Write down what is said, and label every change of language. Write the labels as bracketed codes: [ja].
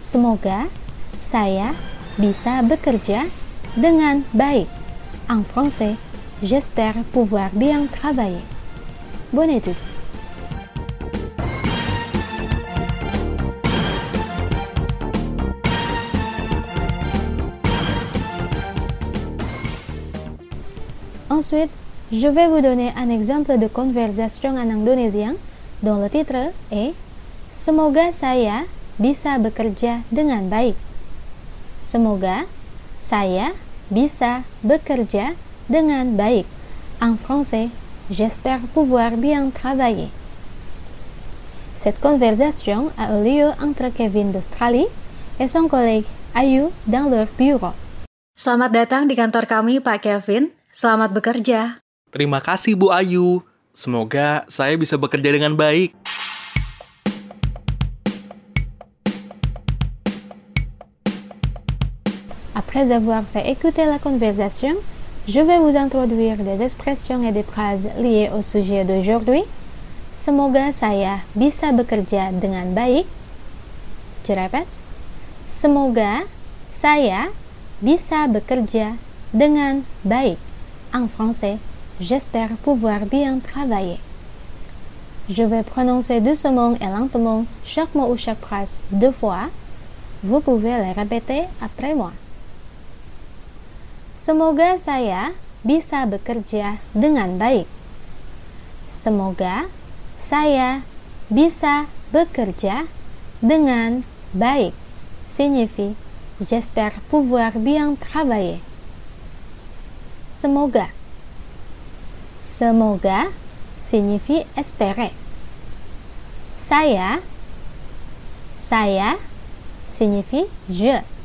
[id] Semoga saya bisa bekerja dengan baik. [fr] En français, j'espère pouvoir bien travailler. Bonne étude. Ensuite, je vais vous donner un exemple de conversation en indonésien dont le titre est [id] Semoga saya bisa bekerja dengan baik. Semoga saya bisa bekerja dengan baik. [fr] En français, j'espère pouvoir bien travailler. Cette conversation a eu lieu entre Kevin d'Australie et son collègue Ayu dans leur bureau. [id] Selamat datang di kantor kami, Pak Kevin. Selamat bekerja. Terima kasih, Bu Ayu. Semoga saya bisa bekerja dengan baik. [fr] Après avoir fait écouter la conversation, je vais vous introduire des expressions et des phrases liées au sujet d'aujourd'hui. [id] Semoga saya bisa bekerja dengan baik. [fr] Je répète. [id] Semoga saya bisa bekerja dengan baik. [fr] En français, j'espère pouvoir bien travailler. Je vais prononcer doucement et lentement chaque mot ou chaque phrase deux fois. Vous pouvez les répéter après moi. [id] Semoga saya bisa bekerja dengan baik. Semoga saya bisa bekerja dengan baik. [fr] Signifie, j'espère pouvoir bien travailler. Semoga. Semoga signifie espérer. Saya signifie je.